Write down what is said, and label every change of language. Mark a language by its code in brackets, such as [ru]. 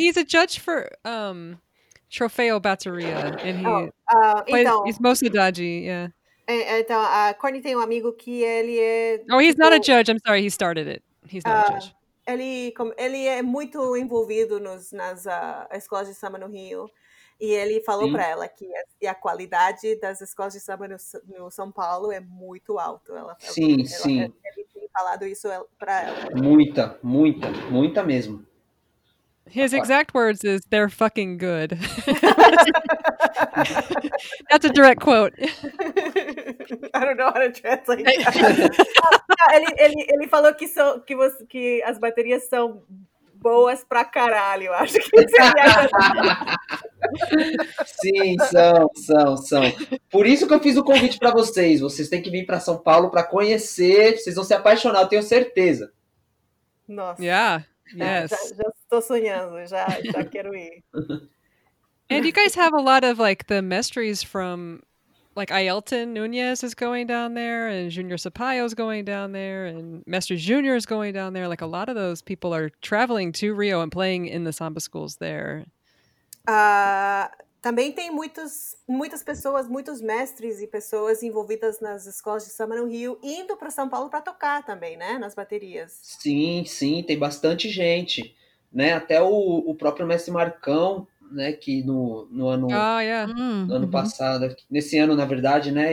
[en] He's a judge for Trofeo Bateria. And he, he's mostly dodgy, yeah. [pt] Então, Courtney tem um amigo que ele é... [en] Oh, he's not a judge. I'm sorry, he started it. He's not a judge. [pt] Ele é muito envolvido nas escolas de samba no Rio. E ele falou para ela que a qualidade das escolas de samba no São Paulo é muito alto. Sim. Ele tem falado isso para ela. Muita mesmo. [en] His exact words is, they're fucking good. That's a direct quote. I don't know how to translate that. [pt] ele falou que, que as baterias são boas pra caralho, eu acho que isso é Sim, são. Por isso que eu fiz o convite pra vocês. Vocês têm que vir pra São Paulo pra conhecer. Vocês vão se apaixonar, eu tenho certeza. Nossa. [en] Yeah. Yes. And you guys have a lot of like the mestres from like Ailton Nunez is going down there and Junior Sapayo is going down there and Mester Junior is going down there. Like a lot of those people are traveling to Rio and playing in the samba schools there. [pt] Também tem muitas pessoas, muitos mestres e pessoas envolvidas nas escolas de samba no Rio indo para São Paulo para tocar também, né? Nas baterias. Sim, tem bastante gente, né? Até o próprio mestre Marcão, né? Que no ano, no ano passado, nesse ano, na verdade, né?